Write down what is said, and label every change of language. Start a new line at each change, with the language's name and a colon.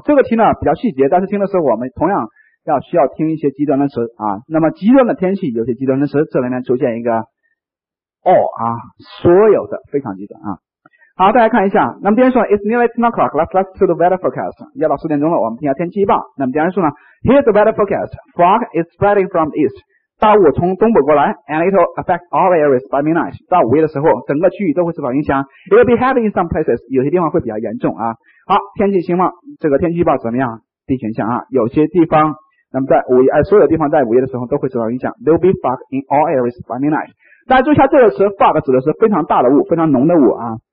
Chinese: 这个题呢比较细节，但是听的时候我们同样要需要听一些极端的词啊。那么极端的天气，有些极端的词，这里面出现一个 all 啊，所有的非常极端啊。好，大家看一下。那么第一说
English: ，It's nearly 10 o'clock. Let's listen to the weather forecast. 要到四点钟了，我们听一下天气预报。
Chinese: 那么第二说呢
English: ，Here's the weather forecast. Fog is spreading from the east.
Chinese: 大雾从东部过来
English: ，and it'll affect all areas by midnight.
Chinese: 到午夜的时候，整个区域都会受到影响。
English: It'll be heavy in some places.
Chinese: 有些地方会比较严重啊。好，天气情况，这个天气预报怎么样 ？D 选项啊，有些地方，那么在午夜，所有地方在午夜的时候都会受到影响。
English: There'll be fog in all areas by midnight.
Chinese: 大家注意一下这个词 ，fog 指的是非常大的雾，非常浓的雾啊。